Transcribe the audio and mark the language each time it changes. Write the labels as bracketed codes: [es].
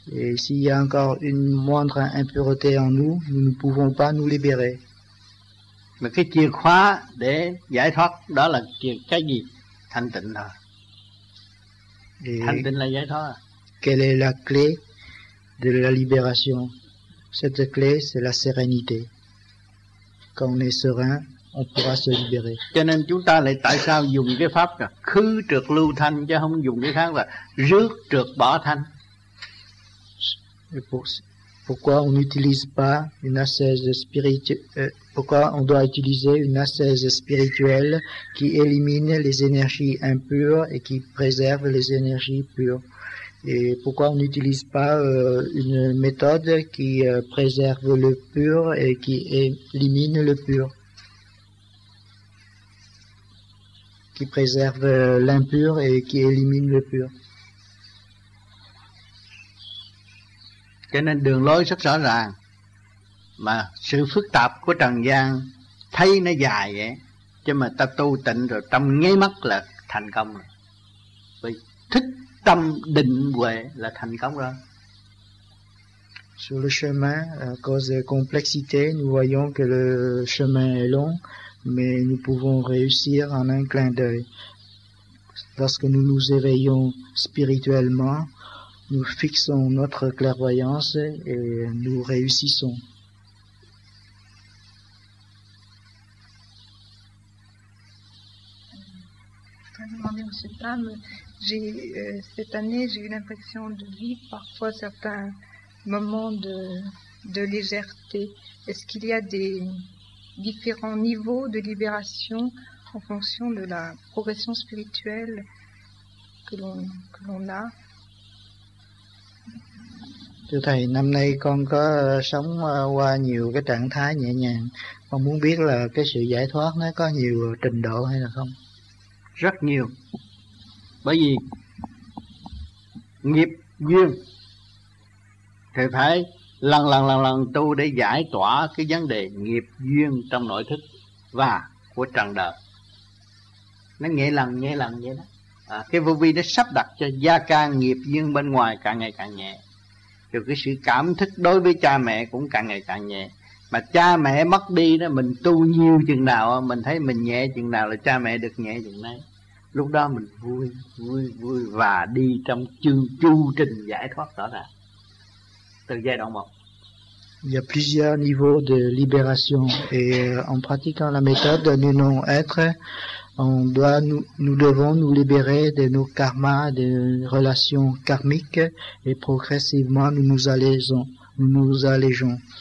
[fr] Et s'il y a encore une moindre impureté en nous, nous ne pouvons pas nous libérer. Mais [vi] cái chìa khóa để giải thoát đó là cái gì? Thanh tịnh là. Thanh tịnh là giải thoát. [fr] Quelle est la clé de la libération? Cette clé, c'est la sérénité. Quand on est serein, on pourra se libérer. [vi] Cho nên chúng ta lại tại sao dùng cái pháp là khứ trượt lưu thanh chứ không dùng cái khác là rước trượt bỏ thanh. [fr] Pourquoi on n'utilise pas une ascèse spirituelle? Pourquoi on doit utiliser une ascèse spirituelle qui élimine les énergies impures et qui préserve les énergies pures? Et pourquoi on n'utilise pas une méthode qui préserve le pur et qui élimine le pur? Qui préserve l'impur et qui élimine le pur? [vi] Cho nên đường lối rất rõ ràng. Mà sự phức tạp của trần gian thấy nó dài vậy, chứ mà ta tu tịnh rồi tâm nháy mắt là thành công rồi. Vì thích tâm định huệ là thành công rồi. [fr] Sur le chemin, à cause de complexité, nous voyons que le chemin est long, mais nous pouvons réussir en un clin d'œil. Lorsque nous nous éveillons spirituellement, nous fixons notre clairvoyance et nous réussissons. Cette année, j'ai eu l'impression de vivre parfois certains moments de légèreté. Est-ce qu'il y a des différents niveaux de libération en fonction de la progression spirituelle que l'on a? [vi] Thưa thầy, năm nay con có sống qua nhiều cái trạng thái nhẹ nhàng. Con muốn biết là cái sự giải thoát nó có nhiều trình độ hay là không? Rất nhiều. Bởi vì nghiệp duyên thì phải lần tu để giải tỏa cái vấn đề nghiệp duyên trong nội thức và của trần đời. Nó nghĩa lần vậy đó. Cái vô vi nó sắp đặt cho gia can nghiệp duyên bên ngoài càng ngày càng nhẹ. Rồi cái sự cảm thức đối với cha mẹ cũng càng ngày càng nhẹ. Mà cha mẹ mất đi đó, mình tu nhiều chừng nào, mình thấy mình nhẹ chừng nào là cha mẹ được nhẹ chừng đấy. Lúc đó mình vui và đi trong chu trình giải thoát rõ ràng. [fr] Il y a plusieurs niveaux de libération et en pratiquant la méthode de nous non-être, nous devons nous libérer de nos karmas, de relations karmiques et progressivement nous nous allégeons.